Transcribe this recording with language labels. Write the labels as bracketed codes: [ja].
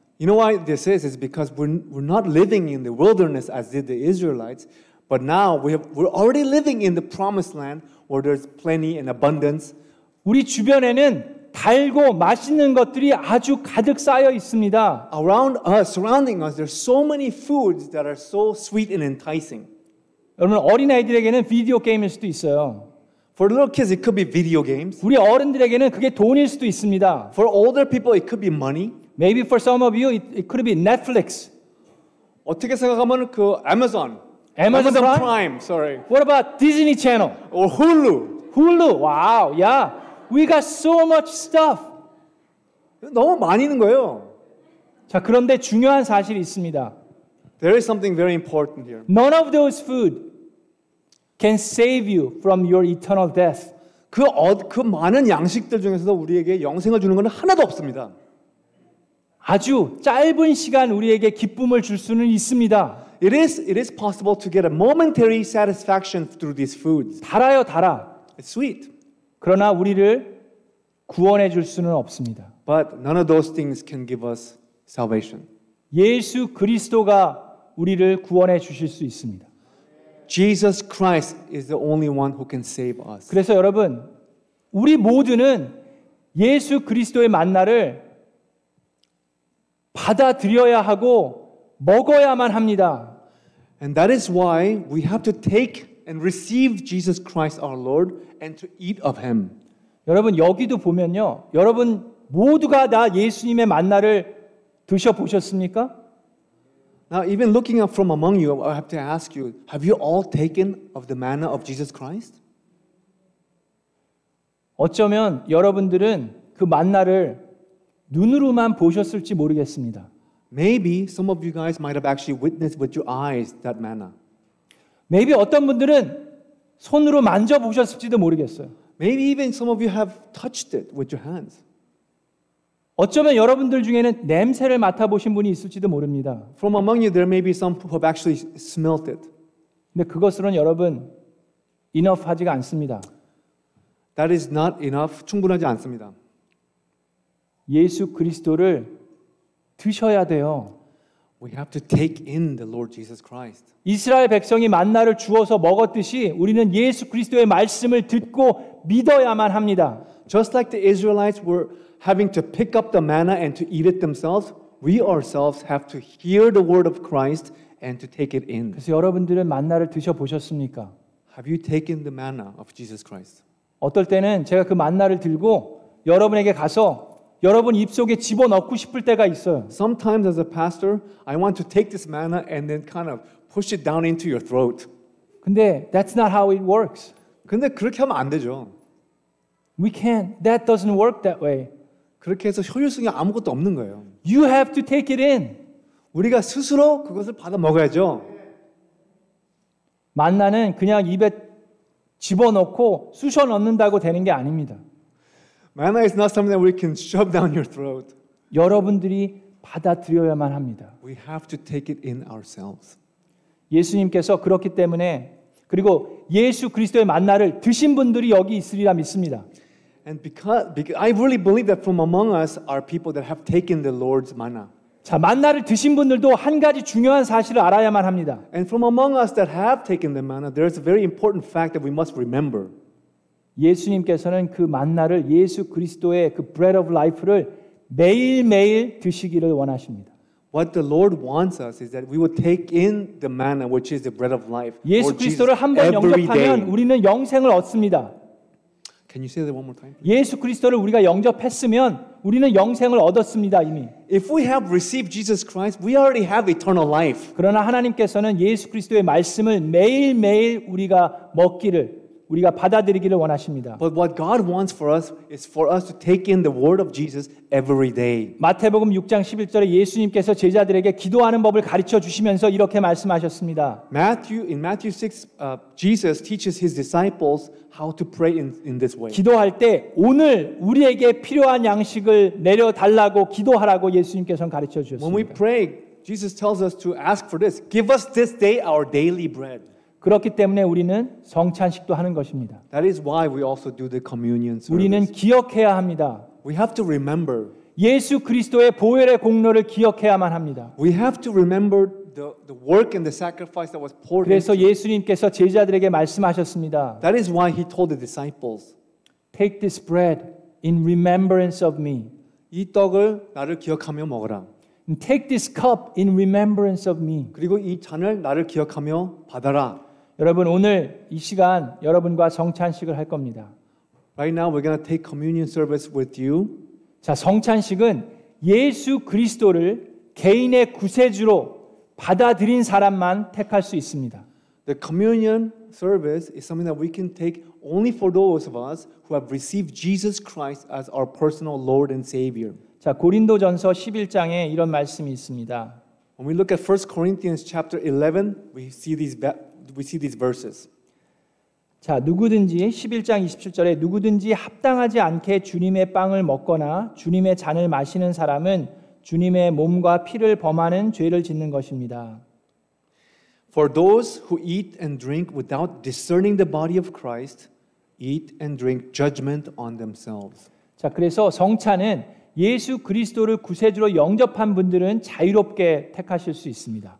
[en] You know why this is? It's because we're not living in the wilderness as did the Israelites, but now we're already living in the promised land where there's plenty and abundance. [ko] 우리 주변에는 달고 맛있는 것들이 아주 가득 쌓여 있습니다. [en] Around us, surrounding us, there's so many foods that are so sweet and enticing. [ko] 여러분 어린아이들에게는 비디오 게임일 수도 있어요. [en] For little kids, it could be video games. [ko] 우리 어른들에게는 그게 돈일 수도 있습니다. [en] For older people, it could be money. Maybe for some of you, it could be Netflix. [ko] 어떻게 생각하면 그 Amazon. [en] Amazon Prime, sorry. What about Disney Channel? Or Hulu. Hulu, wow, yeah. We got so much stuff. [ko] 너무 많이 있는 거예요. 자, 그런데 중요한 사실이 있습니다. [en] There is something very important here. None of those food can save you from your eternal death. [ko] 그 많은 양식들 중에서도 우리에게 영생을 주는 건 하나도 없습니다. 아주 짧은 시간 우리에게 기쁨을 줄 수는 있습니다. [en] It is possible to get a momentary satisfaction through these foods. [ko] 달아요, 달아. [en] It's sweet. [ko] 그러나 우리를 구원해 줄 수는 없습니다. [en] But none of those things can give us salvation. [ko] 예수 그리스도가 우리를 구원해 주실 수 있습니다. [en] Jesus Christ is the only one who can save us. [ko] 그래서 여러분, 우리 모두는 예수 그리스도의 만나를 받아들여야 하고 먹어야만 합니다. [en] And that is why we have to take and receive Jesus Christ our Lord and to eat of him. [ko] 여러분 여기도 보면요. 여러분 모두가 다 예수님의 만나를 드셔 보셨습니까? [en] Now even looking up from among you, I have to ask you, have you all taken of the manna of Jesus Christ? [ko] 어쩌면 여러분들은 그 만나를 눈으로만 보셨을지 모르겠습니다. [en] Maybe some of you guys might have actually witnessed with your eyes that manna. Maybe [ko] 어떤 분들은 손으로 만져보셨을지도 모르겠어요. [en] Maybe even some of you have touched it with your hands. [ko] 어쩌면 여러분들 중에는 냄새를 맡아보신 분이 있을지도 모릅니다. [en] From among you, there may be some who have actually smelt it. [ko] 근데 그것으로는 여러분, [en] enough [ko] 하지가 않습니다. [en] That is not enough, [ko] 충분하지 않습니다. 예수 그리스도를 드셔야 돼요. [en] We have to take in the Lord Jesus Christ. [ko] 이스라엘 백성이 만나를 주어서 먹었듯이 우리는 예수 그리스도의 말씀을 듣고 믿어야만 합니다. [en] Just like the Israelites were having to pick up the manna and to eat it themselves, we ourselves have to hear the word of Christ and to take it in. [ko] 그래서 여러분들은 만나를 드셔 보셨습니까? [en] Have you taken the manna of Jesus Christ? [ko] 어떨 때는 제가 그 만나를 들고 여러분에게 가서 여러분 입속에 집어넣고 싶을 때가 있어요. [en] Sometimes as a pastor, I want to take this manna and then kind of push it down into your throat. [ko] 근데 [en] that's not how it works. [ko] 근데 그렇게 하면 안 되죠. [en] We can't. That doesn't work that way. [ko] 그렇게 해서 효율성이 아무것도 없는 거예요. [en] You have to take it in. [ko] 우리가 스스로 그것을 받아 먹어야죠. 만나는 그냥 입에 집어넣고 쑤셔 넣는다고 되는 게 아닙니다. [en] Manna is not something that we can shove down your throat. [ko] 여러분들이 받아들여야만 합니다. [en] We have to take it in ourselves. [ko] 예수님께서 그렇기 때문에 그리고 예수 그리스도의 만나를 드신 분들이 여기 있으리라 믿습니다. [en] And because I really believe that from among us are people that have taken the Lord's manna. [ko] 자, 만나를 드신 분들도 한 가지 중요한 사실을 알아야만 합니다. [en] And from among us that have taken the manna, there is a very important fact that we must remember. [ko] 예수님께서는 그 만나를 예수 그리스도의 그 [en] bread of life [ko] 를 매일매일 드시기를 원하십니다. [en] What the Lord wants us is that we would take in the manna which is the bread of life. [ko] 예수 그리스도를 한 번 영접하면 우리는 영생을 얻습니다. [en] Can you say that one more time? [ko] 예수 그리스도를 우리가 영접했으면 우리는 영생을 얻었습니다 이미. [en] If we have received Jesus Christ, we already have eternal life. [ko] 그러나 하나님께서는 예수 그리스도의 말씀을 매일매일 우리가 먹기를 우리가 받아들이기를 원하십니다. [en] But what God wants for us is for us to take in the word of Jesus every day. [ko] 마태복음 6장 11절에 예수님께서 제자들에게 기도하는 법을 가르쳐 주시면서 이렇게 말씀하셨습니다. [en] In Matthew 6, Jesus teaches his disciples how to pray in this way. [ko] 기도할 때 오늘 우리에게 필요한 양식을 내려 달라고 기도하라고 예수님께서는 가르쳐 주셨습니다. [en] When we pray, Jesus tells us to ask for this. Give us this day our daily bread. [ko] 그렇기 때문에 우리는 성찬식도 하는 것입니다. [en] That is why we also do the communion service. [ko] 우리는 기억해야 합니다. [en] We have to remember. [ko] 예수 그리스도의 보혈의 공로를 기억해야만 합니다. [en] We have to remember the work and the sacrifice that was poured. [ko] 그래서 예수님께서 제자들에게 말씀하셨습니다. [en] That is why he told the disciples, "Take this bread in remembrance of me." [ko] 이 떡을 나를 기억하며 먹어라. [en] Take this cup in remembrance of me. [ko] 그리고 이 잔을 나를 기억하며 받아라. 여러분 오늘 이 시간 여러분과 성찬식을 할 겁니다. [en] Right now we're going to take communion service with you. [ko] 자, 성찬식은 예수 그리스도를 개인의 구세주로 받아들인 사람만 택할 수 있습니다. [en] The communion service is something that we can take only for those of us who have received Jesus Christ as our personal Lord and Savior. [ko] 자, 고린도전서 11장에 이런 말씀이 있습니다. [en] When we look at 1 Corinthians chapter 11, we see these verses. [ko] 자, 누구든지 11장 27절에 누구든지 합당하지 않게 주님의 빵을 먹거나 주님의 잔을 마시는 사람은 주님의 몸과 피를 범하는 죄를 짓는 것입니다. [en] For those who eat and drink without discerning the body of Christ eat and drink judgment on themselves. [ko] 자, 그래서 성찬은 예수 그리스도를 구세주로 영접한 분들은 자유롭게 택하실 수 있습니다.